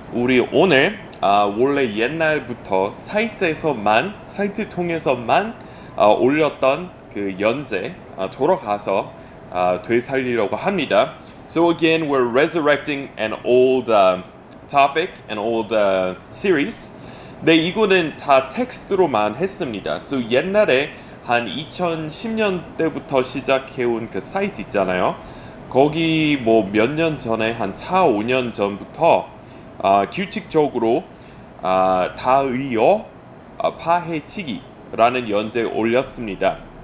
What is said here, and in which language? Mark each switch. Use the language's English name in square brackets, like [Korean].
[Korean] 우리 오늘 원래 옛날부터 사이트 통해서만 올렸던 그 연재 돌아가서 되살리려고 합니다. [English] So again, we're resurrecting an old topic, an old series. [Korean] 네, 이거는 다 텍스트로만 했습니다. So 옛날에 한 2010년 때부터 시작해온 그 사이트 있잖아요. 거기 뭐 몇 년 전에 한 4-5년 전부터 규칙적으로 다의어 파헤치기라는 연재 올렸습니다.